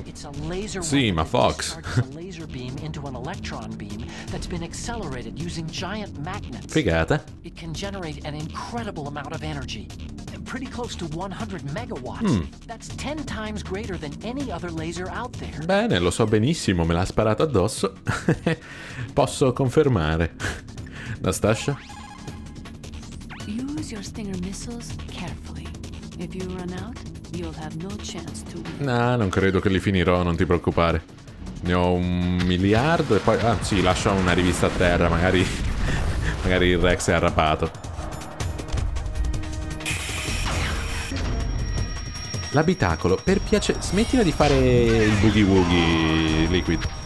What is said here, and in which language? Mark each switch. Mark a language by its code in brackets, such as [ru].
[en] It's a laser. [it] Sì, ma Fox. [en] A laser beam into an electron beam that's been accelerated using giant magnets. [it] Figata. [en] It can generate an incredible amount of energy. Pretty close to 100 megawatts. Mm. That's 10 times greater than any other laser out there. [it] Bene, lo so benissimo, me l'ha sparato addosso. Posso confermare. Nastasha. [en] Use your Stinger missiles carefully. If you run out, you'll have no chance to win. [it] Nah, non credo che li finirò, non ti preoccupare. Ne ho un miliardo e poi... Ah, sì, lascio una rivista a terra, magari... magari il Rex è arrapato. L'abitacolo, per piacere... Smettila di fare il boogie woogie, Liquid.